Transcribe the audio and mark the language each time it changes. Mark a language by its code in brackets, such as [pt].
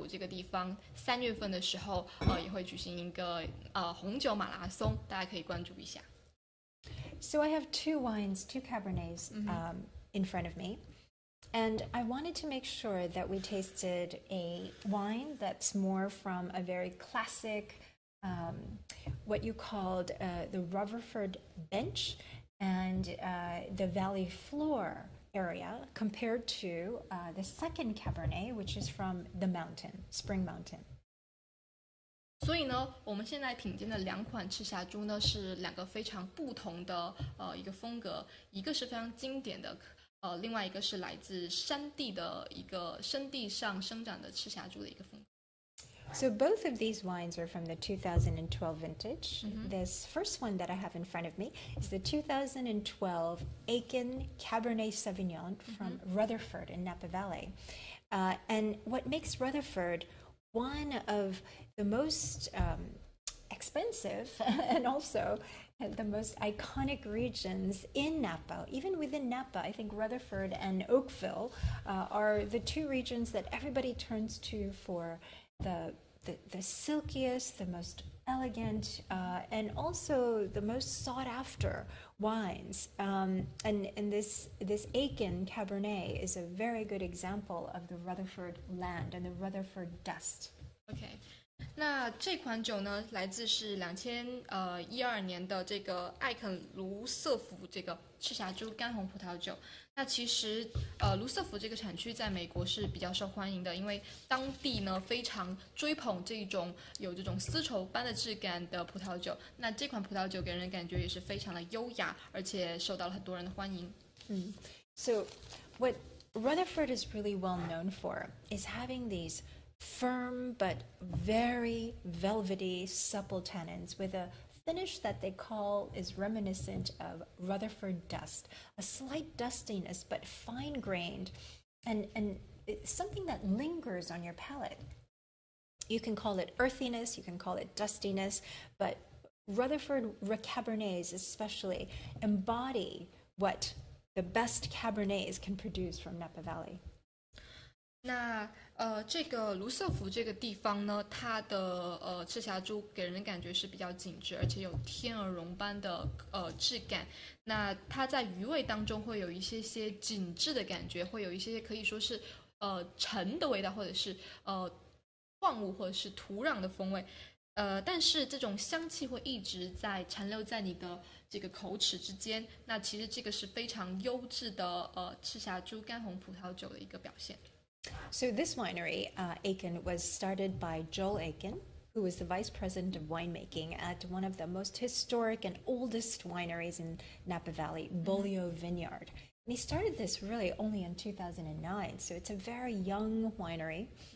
[zh] 我们刚刚解释完这个问题之后，可能有点觉得口渴，大师觉得，所以说我们现在要品鉴的是后两款来自纳帕谷地区的这个赤霞朱红葡萄酒。那其实红酒世界在纳帕谷这个地方，3月份的时候，也会举行一个红酒马拉松，大家可以关注一下。 [en] So I have two wines, two Cabernets, in front of me. And I wanted to make sure that we tasted a wine that's more from a very classic, what you called the Rutherford Bench and the Valley Floor area, compared to the second Cabernet, which is from the mountain, Spring Mountain. [zh] 所以呢，我们现在品鉴的两款赤霞珠呢，是两个非常不同的一个风格，一个是非常经典的，另外一个是来自山地的一个山地上生长的赤霞珠的一个风格。 [en] So both of these wines are from the 2012 vintage. This first one that I have in front of me is the 2012 Aiken Cabernet Sauvignon from Rutherford in Napa Valley. And what makes Rutherford one of the most expensive and also the most iconic regions in Napa. Even within Napa, I think Rutherford and Oakville are the two regions that everybody turns to for the silkiest, the most elegant, and also the most sought after wines. And this Aiken Cabernet is a very good example of the Rutherford land and the Rutherford dust. Okay. [zh] 那这款酒呢，来自是2012年的这个艾肯卢瑟福这个赤霞珠干红葡萄酒。那其实，卢瑟福这个产区在美国是比较受欢迎的，因为当地呢非常追捧这种有这种丝绸般的质感的葡萄酒。那这款葡萄酒给人感觉也是非常的优雅，而且受到了很多人的欢迎。 [en] So what Rutherford is really well known for is having these firm but very velvety, supple tannins with a finish that they call is reminiscent of Rutherford dust. A slight dustiness, but fine-grained, and it's something that lingers on your palate. You can call it earthiness, you can call it dustiness, but Rutherford Cabernets especially embody what the best Cabernets can produce from Napa Valley. [zh] 那这个卢瑟福这个地方呢，它的赤霞珠给人的感觉是比较紧致，而且有天鹅绒般的质感。那它在余味当中会有一些些紧致的感觉，会有一些些可以说是陈的味道，或者是矿物或者是土壤的风味。但是这种香气会一直在残留在你的这个口齿之间。那其实这个是非常优质的赤霞珠干红葡萄酒的一个表现。 [en] So this winery, Aiken, was started by Joel Aiken, who was the vice president of winemaking at one of the most historic and oldest wineries in Napa Valley, Beaulieu Vineyard. And he started this really only in 2009, so it's a very young winery.